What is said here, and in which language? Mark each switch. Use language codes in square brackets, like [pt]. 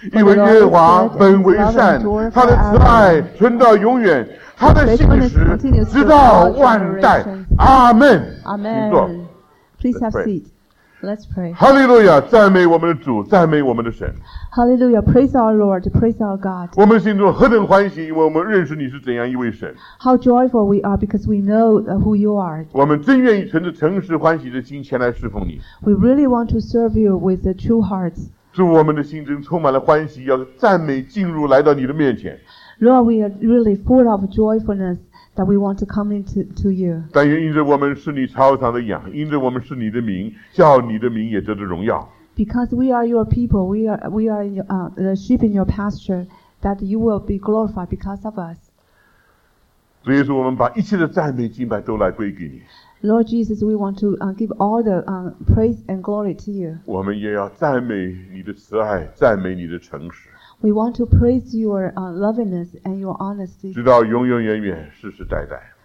[zh] 因为耶和华本为善，他的慈爱存到永远，他的信实直到万代。阿门。阿门。请坐。 [en] Please have seat. Let's pray. [zh] Hallelujah, 赞美我们的主，赞美我们的神。 [en] Hallelujah, praise our Lord, praise our God. [zh] 我们心中何等欢喜，因为我们认识你是怎样一位神。 [en] How joyful we are because we know who you are. [zh] 我们真愿意存着诚实欢喜的心前来侍奉你。 [en] We really want to serve you with a true heart. [zh] 祝我们的心中充满了欢喜，要赞美进入来到你的面前。 [en] Lord, we are really full of joyfulness that we want to come into to you. [zh] 但愿因着我们是你操场的羊，因着我们是你的名，叫你的名也得着荣耀。 [en] Because we are your people, we are the sheep in your pasture, that you will be glorified because of us. [zh] 主耶稣，我们把一切的赞美敬拜都来归给你。 [en] Lord Jesus, we want to give all the praise and glory to you. [zh] 我们也要赞美你的慈爱，赞美你的诚实。 [en] We want to praise your lovingness and your honesty. [zh] 直到永永远远，世世代代。